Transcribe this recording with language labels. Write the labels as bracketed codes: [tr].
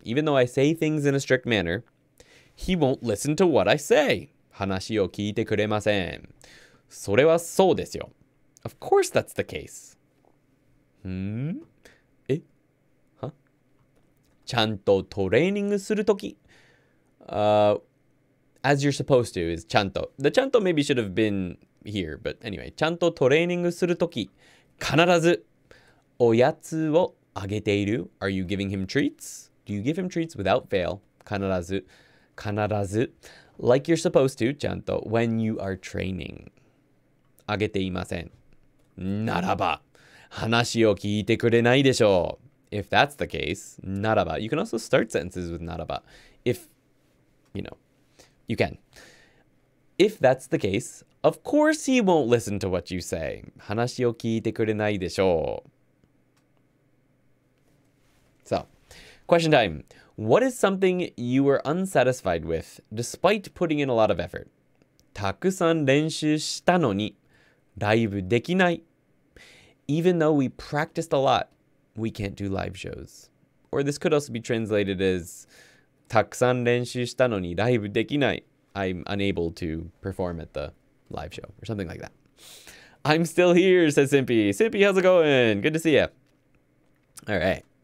[en] Even though I say things in a strict manner, he won't listen to what I say. [ja] 話を聞いてくれません。それはそうですよ。 [en] Of course that's the case. Hmm? え?Huh? [ja] ちゃんとトレーニングするとき。 [en] As you're supposed to, is ちゃんと. The ちゃんと maybe should have been here, but anyway. [ja] ちゃんとトレーニングするとき、必ずおやつをあげている。 [en] Are you giving him treats? Do you give him treats without fail? 必ず。 Like you're supposed to, ちゃんと, when you are training. [ja] あげていません。ならば、話を聞いてくれないでしょう。 [en] If that's the case, ならば. You can also start sentences with ならば. If, you know. You can. If that's the case, of course he won't listen to what you say. [ja] 話を聞いてくれないでしょう。 [en] So, question time. What is something you were unsatisfied with despite putting in a lot of effort? [ja] たくさん練習したのにライブできない。 [en] Even though we practiced a lot, we can't do live shows. Or this could also be translated as... [ja] たくさん練習したのにライブできない。 [en] I'm unable to perform at the live show or something like that. I'm still here, says Simpy. Simpy, how's it going? Good to see you. All right.